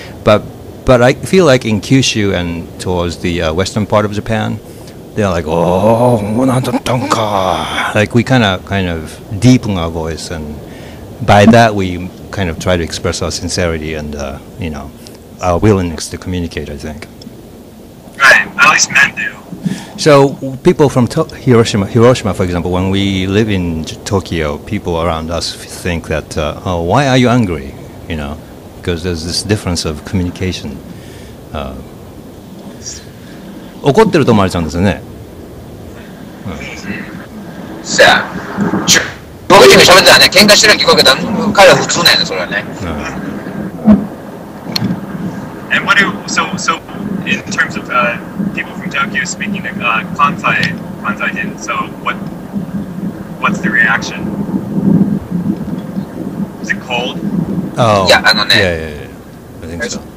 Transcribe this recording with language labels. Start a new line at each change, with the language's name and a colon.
English: But I feel like in Kyushu and towards the western part of Japan, they're like, Like, we kind of deepen our voice, and by that we kind of try to express our sincerity and, you know, our willingness to communicate, I think. Right, at least men do. So people from Hiroshima, for example, when we live in Tokyo, people around us think that, why are you angry? You know, because there's this difference of communication.
Japanese: 怒ってると思われちゃうんですよね。さあ、中国人が喋ったらね、喧嘩してるの聞こえたら、彼は普通だよね、それはね。
English: And what do so in terms of people from Tokyo speaking to Kansai-in, so what's the reaction? Is it cold? Oh, yeah. I think so.